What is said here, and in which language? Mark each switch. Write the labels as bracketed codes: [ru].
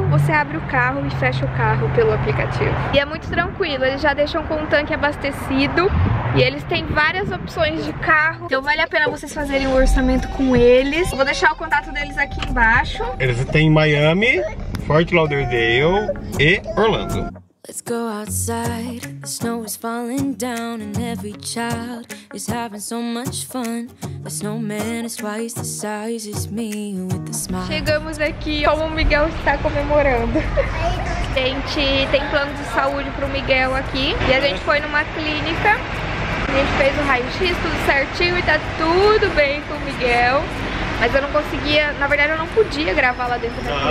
[pt] Você abre o carro e fecha o carro pelo aplicativo. E é muito tranquilo. Eles já deixam com o tanque abastecido. E eles têm várias opções de carro. Então vale a pena vocês fazerem um orçamento com eles. Eu vou deixar o contato deles aqui embaixo. Eles têm Miami, Fort Lauderdale e Orlando. [en] Let's go outside. The snow is falling down and every child is having so much fun. The snowman is twice the size as me with a smile. [pt] Chegamos aqui. Como o Miguel está comemorando. Gente, tem plano de saúde pro Miguel aqui. E a gente foi numa clínica. A gente fez o raio-x, tudo certinho e tá tudo bem com o Miguel. Mas eu não conseguia, na verdade eu não podia gravar lá dentro da clínica,